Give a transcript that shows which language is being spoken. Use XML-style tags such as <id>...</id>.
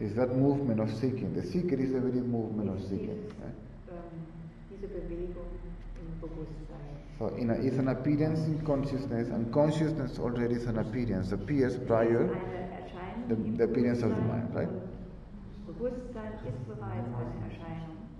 <en>Is that movement of seeking. The seeker is the very movement of seeking.</en> <de>Diese Bewegung im Bewusstsein.</de> <en>So it's an appearance in consciousness, and consciousness already is an appearance, appears prior to the appearance of the mind, right?</en> <de>Bewusstsein ist bereits eine Erscheinung.</de>